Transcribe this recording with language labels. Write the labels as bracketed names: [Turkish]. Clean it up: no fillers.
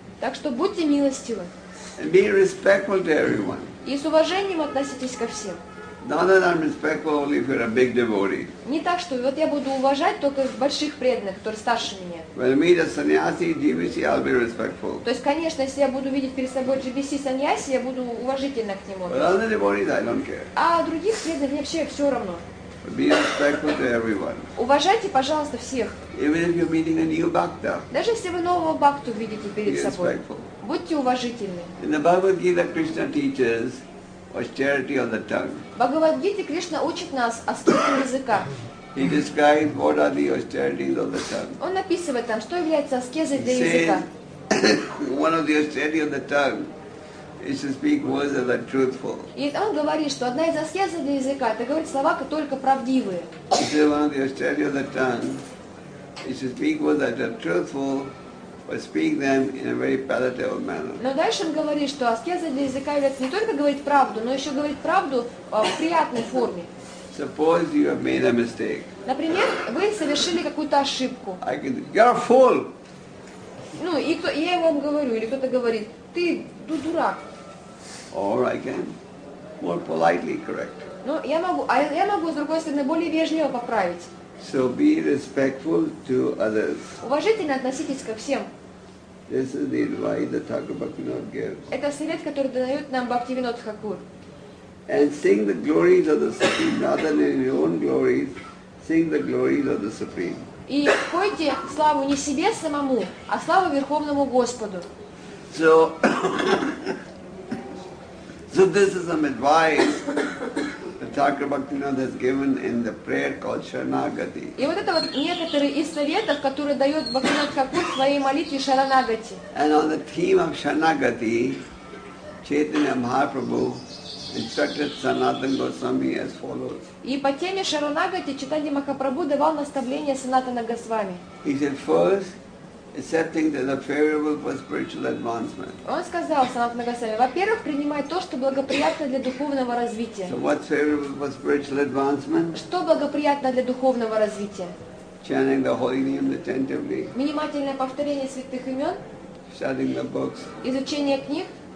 [Russian] Так что будьте милостивы. [English] And be respectful to everyone. [Russian] И с уважением относитесь ко всем. [English] Not that I'm respectful only if you're a big devotee. [Russian] Не так, что вот я буду уважать только больших преданных, которые старше меня. [English] When I meet a sannyasi, GBC, I'll be respectful. [Russian] То есть, конечно, если я буду видеть перед собой GBC sannyasi, я буду уважительно к нему. [English] But other devotees, I don't care. [Russian] А других преданных вообще все равно. [English] Be respectful to everyone. [Russian] Уважайте, пожалуйста, всех. [English] Even if you're meeting a new bhakta. [Russian] Даже если вы нового бхакту видите перед собой. [English] Be respectful. [Russian] Будьте уважительны. [English] In the Bhagavad Gita, Krishna teaches austerity of the tongue. [Russian] В Бхагавад Гите Кришна учит нас остроту языка. [English] He describes what are the austerities of the tongue. [Russian] Он описывает там, что является аскезой для [English] says, [Russian] языка. [English] One of the austerities of the tongue is to speak words that are truthful. [Russian] И он говорит, что одна из аскез для языка – это говорить слова, которые только правдивые. [English] He says one of the austerities of the tongue is to speak words that are truthful. But speak them in a very palatable manner. [Russian] Но дальше он говорит, что аскеза для языка является не только говорить правду, но еще говорить правду в приятной форме. [English] Suppose you have made a mistake. [Russian] Например, вы совершили какую-то ошибку. [English] I can, you're a fool. [Russian] Ну и кто, я вам говорю, или кто-то говорит, ты дурак. [English] Or I can more politely correct. [Russian] Ну я могу с другой стороны более вежливо поправить. [English] So be respectful to others. [Russian] Уважительно относитесь ко всем. [English] This is the advice that Thakur Bhaktivinoda gives. [Russian] Это совет, который дает нам Бхактивинод Хакур. [English] And sing the glories of the Supreme, rather than your own glories. Sing the glories of the Supreme. [Russian] И пойте славу не себе самому, а славу Верховному Господу. [English] So, so this is some advice. Thakur Bhaktivinoda has given in the prayer called Sharanagati. [Russian] И вот это вот некоторые из советов, которые дает Бхактивинода Хакур в своей молитве Шаранагати. [English] And on the theme of Sharanagati, Chaitanya Mahaprabhu instructed Sanatana Goswami as follows. [Russian] И по теме Шаранагати Чайтанья Махапрабху давал наставление Санатана Госвами. [English] He said first, accepting that are favorable for spiritual advancement. [Russian] Он сказал Санатана Госвами, во-первых, принимай то, что благоприятно для духовного развития. [English] So what's favorable for spiritual advancement? [Russian] Что благоприятно для духовного развития? [English] Chanting the holy names attentively. [Russian] Внимательное повторение святых имен. [English] Studying the books. [Russian] Изучение книг.